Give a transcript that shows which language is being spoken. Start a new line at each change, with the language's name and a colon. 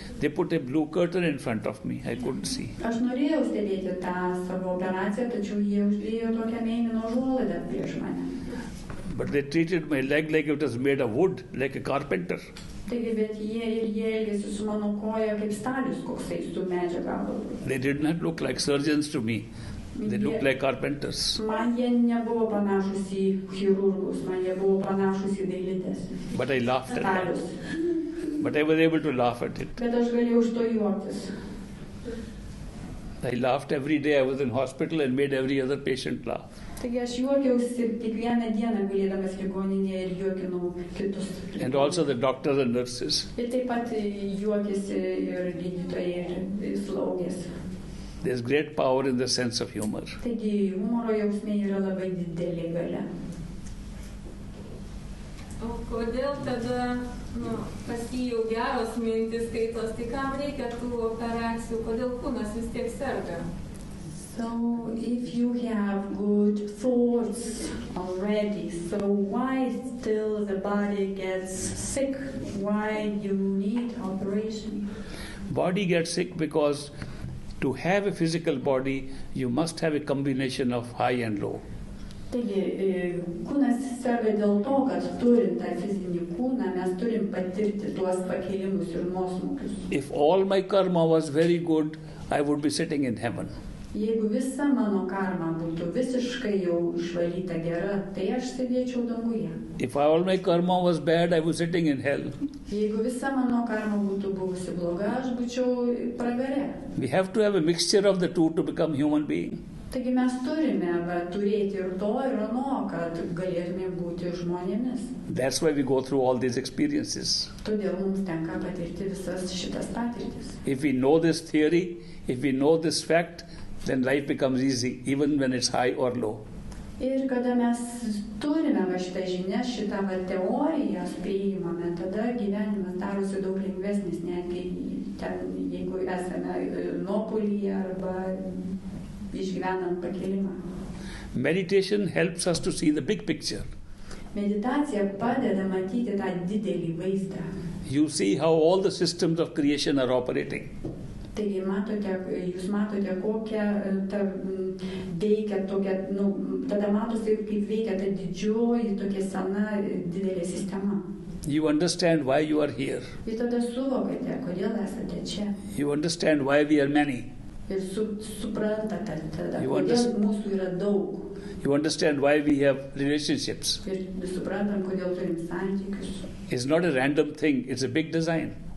English: They put a blue curtain in front of me. I couldn't see.
Lithuanian: Aš norėjau stebėti tą savo operaciją, tačiau jie uždėjo tokią mėlyną užuolaidą prieš mane.
English: But they treated my leg like it was made of wood, like a carpenter.
Lithuanian: Taigi, bet jie ir jie elgėsi su mano koja kaip stalius, koksai su medžio gabalu.
English: They did not look like surgeons to me. They looked like carpenters.
Lithuanian: Man jie nebuvo panašus į chirurgus, man jie buvo panašus į dailides.
English: But I laughed at
Lithuanian: stalius.
English: It. But I was able to laugh at it.
Lithuanian: Bet aš galėjau už to juoktis.
English: I laughed every day I was in hospital and made every other patient laugh.
Lithuanian: Taigi aš juokiausi kiekvieną dieną gulėdamas ligoninėje ir juokinau kitus.
English: And also the doctors and nurses.
Lithuanian: Ir taip pat juokiasi ir gydytojai ir slaugės.
English: There's great power in the sense of humor.
Lithuanian: Taigi humoro jausmė yra labai didelė galia. O kodėl tada pasijau geros mintis skaitos, tai kam reikia tų operacijų, kodėl kūnas vis tiek serga?
English: So if you have good thoughts already, so why still the body gets sick? Why you need operation? Body gets sick because to have a physical body, you must have a combination of high and low.
Lithuanian: Taigi, kūnas serga dėl to, kad turint tą fizinį kūną, mes turim patirti tuos pakilimus ir nuosmukius.
English: If all my karma was very good, I would be sitting in heaven.
Lithuanian: Jeigu visa mano karma būtų visiškai jau išvalyta gera, tai aš sėdėčiau danguje.
English: If all my karma was bad, I was sitting in hell.
Lithuanian: Jeigu visa mano karma būtų buvusi bloga, aš būčiau pragare.
English: We have to have a mixture of the two to become human being.
Lithuanian: Taigi mes turime turėti ir to, ir ano, kad galėtume būti žmonėmis.
English: That's why we go through all these experiences.
Lithuanian: Todėl mums tenka patirti visas šitas patirtis.
English: If we know this theory, if we know this fact, then life becomes easy, even when it's high or low.
Lithuanian: Ir kada mes turime va šitą žinią, šitą va teoriją priimame, tada gyvenimas darosi daug lengvesnis, netgi ten, jeigu esame nuopulyje arba išgyvenant pakilimą.
English: Meditation helps us to see the big picture.
Lithuanian: Meditacija padeda matyti tą didelį vaizdą.
English: You see how all the systems of creation are operating.
Lithuanian: Taigi matote, jūs matote, kokia ta veikia tokia, nu, tada matosi, kaip veikia ta didžioji, tokia sena, didelė sistema.
English: You understand why you are here.
Lithuanian: Ir tada suvokate, kodėl esate čia.
English: You understand why we are many.
Lithuanian: Ir suprantate tada, kodėl mūsų yra daug.
English: You understand why we have relationships.
Lithuanian: Ir suprantam, kodėl turim santykius.
English: It's not a random thing, it's a big design.